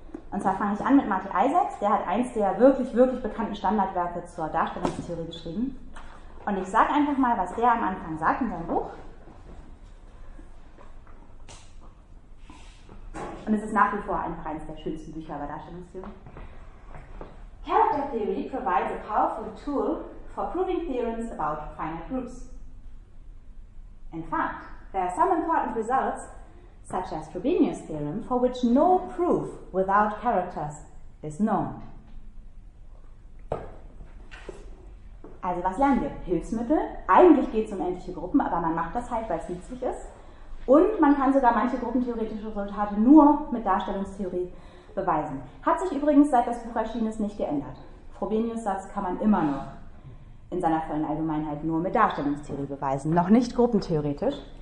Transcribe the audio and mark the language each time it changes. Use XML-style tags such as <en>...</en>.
<de>Und zwar fange ich an mit Marty Isaacs. Der hat eins der wirklich, wirklich bekannten Standardwerke zur Darstellungstheorie geschrieben. Und ich sage einfach mal, was der am Anfang sagt in seinem Buch. Und es ist nach wie vor einfach eines der schönsten Bücher über Darstellungstheorie.</de> <en>Character theory provides a powerful tool for proving theorems about finite groups. In fact, there are some important results, such as Frobenius' theorem, for which no proof without characters is known.</en> <de>Also was lernen wir? Hilfsmittel. Eigentlich geht es um endliche Gruppen, aber man macht das halt, weil es nützlich ist. Und man kann sogar manche gruppentheoretische Resultate nur mit Darstellungstheorie beweisen. Hat sich übrigens, seit das Buch erschienen ist, nicht geändert. Frobenius' Satz kann man immer noch in seiner vollen Allgemeinheit nur mit Darstellungstheorie beweisen, noch nicht gruppentheoretisch.</de>